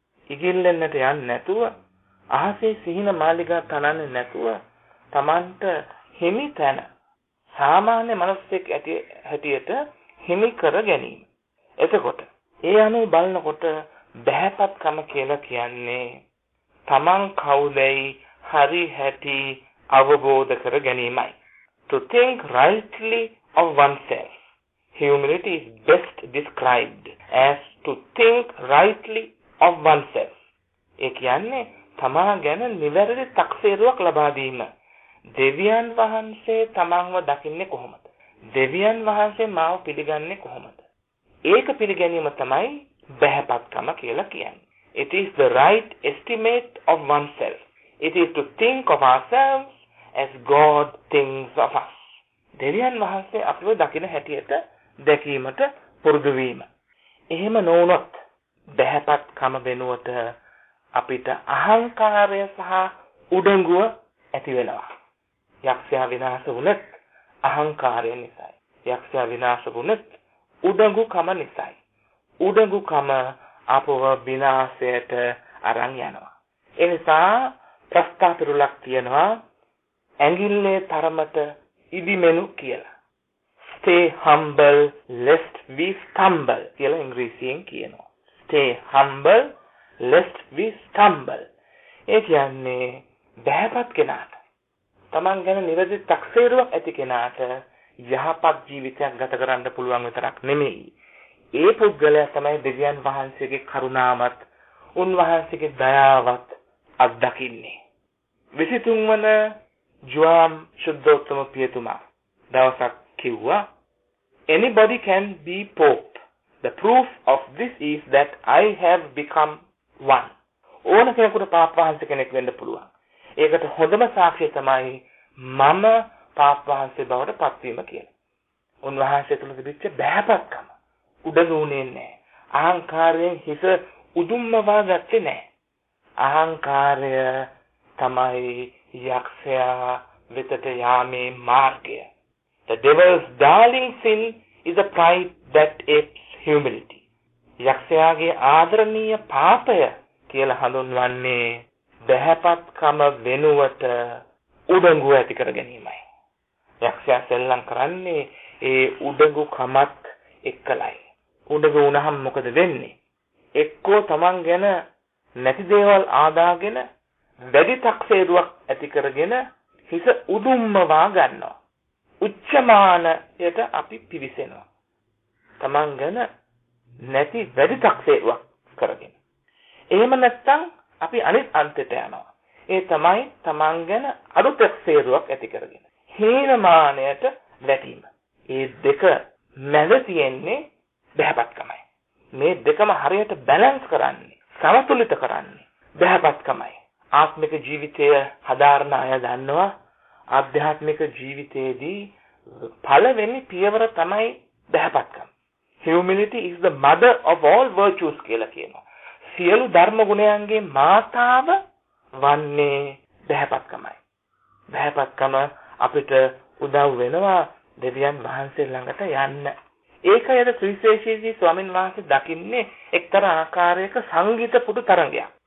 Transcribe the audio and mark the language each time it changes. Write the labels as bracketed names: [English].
[Sinhala] ඉගිල්ලෙන්නට යන්නේ නැතුව, අහසේ සිහින මාලිගා තනන්නේ නැතුව, තමන්ට හිමි තැන සාමාන්‍ය මනසෙක් ඇති හැටියට හිමි කර ගැනීම. එතකොට ඒ අනුව බලනකොට බැහැපත්කම කියලා කියන්නේ තමන් කවුදයි හරි හැටි අවබෝධ කර ගැනීමයි. [English] To think rightly of oneself. Humility is best described as to think rightly of oneself. [Sinhala] ඒ කියන්නේ තමා ගැන නිවැරදි තක්සේරුවක් ලබා දීම. දෙවියන් වහන්සේ තමන්ව දකින්නේ කොහොමද? දෙවියන් වහන්සේ මාව පිළිගන්නේ කොහොමද? ඒක පිළිගැනීම තමයි බැහැපත්කම කියලා කියන්නේ. [English] It is the right estimate of oneself. It is to think of ourselves as God thinks of us. [Sinhala] දෙවියන් වහන්සේ අපිව දකින හැටියට දැකීමට පුරුදු වීම. එහෙම නොවුනොත් බැහැපත් කම වෙනුවට අපිට අහංකාරය සහ උඩඟුව ඇති වෙනවා. යක්ෂයා විනාශ වුණත් අහංකාරය නිසායි. යක්ෂයා විනාශ වුණත් උඩඟුකම නිසායි. උඩඟුකම අපව විනාශයට අරන් යනවා. ඒ නිසා ප්‍රස්ථාතුරුලක් තියනවා ඇඟිල්ලේ තරමට ඉදිමෙනු කියලා. [English] Stay humble lest we stumble [Sinhala] කියලා ඉංග්‍රීසියෙන් කියනවා. [English] Stay humble lest we stumble. [Sinhala] ඒ කියන්නේ බැහැපත් කෙනාට, තමන් ගැන නිවැරදි තක්සේරුවක් ඇති කෙනාට යහපත් ජීවිතයක් ගත කරන්න පුළුවන් විතරක් නෙමෙයි, ඒ පුද්ගලයා තමයි දෙවියන් වහන්සේගේ කරුණාවත් උන්වහන්සේගේ දයාවත් අත්දකින්නේ. 23 ජුවාම් ශුද්ධෝත්තම පියතුමා දවසක් කිව්වා, [English] "Anybody can be Pope. The proof of this is that I have become one." [Sinhala] ඕන කෙනෙකුට පාප් වහන්සේ කෙනෙක් වෙන්න පුළුවන්. ඒකට හොඳම සාක්ෂිය තමයි මම පාප් වහන්සේ බවට පත්වීම කියලා. උන්වහන්සේ තුළ තිබිච්ච බැහැපත්කම උඩගුණේ නැහැ. අහංකාරයෙන් හිස උදුම්මවා ගත්තේ නැහැ. අහංකාරය තමයි යක්ෂයා වෙතට යාමේ මාර්ගය. [English] The devil's darling sin is a pride that apes humility. [Sinhala] යක්ෂයාගේ ආදරණීය පාපය කියලා හඳුන්වන්නේ බැහැපත්කම වෙනුවට උඩඟු ඇති කර ගැනීමයි. යක්ෂයා සෙල්ලම් කරන්නේ ඒ උඩඟුකමත් එක්කලයි. උඩඟු වුණහම මොකද වෙන්නේ? එක්කෝ තමන් ගැන නැති දේවල් ආදාගෙන වැඩි තක්සේරුවක් ඇති කරගෙන හිස උදුම්මවා ගන්නවා. උච්චමානයට අපි පිවිසෙනවා. තමන් ගැන නැති වැඩිතක්සේ කරගෙන. එහෙම නැත්තං අපි අනිත් අන්තෙට යනවා. ඒ තමයි තමන් ගැන අරුතක්සේරුවක් ඇති කරගෙන. හීනමානයට වැටීම. ඒ දෙක මැද තියෙන්නේ බැහැපත්කමයි. මේ දෙකම හරියට බැලන්ස් කරන්නේ සමතුලිත කරන්නේ බැහැපත්කමයි. ආත්මික ජීවිතය හදාරන අය දන්නවා අධ්‍යාත්මික ජීවිතයේදී පළවෙනි පියවර තමයි බැහැපත්කම. [English] Humility is the mother of all virtues [Sinhala] කියලා කියනවා. සියලු ධර්ම ගුණයන්ගේ මාතාව වන්නේ බැහැපත්කමයි. බැහැපත්කම අපිට උදව් වෙනවා දෙවියන් වහන්සේ ළඟට යන්න. ඒකයි අද සුවිශේෂී ස්වාමීන් වහන්සේ දකින්නේ එක්තරා ආකාරයක සංගීත පුදු තරගයක්.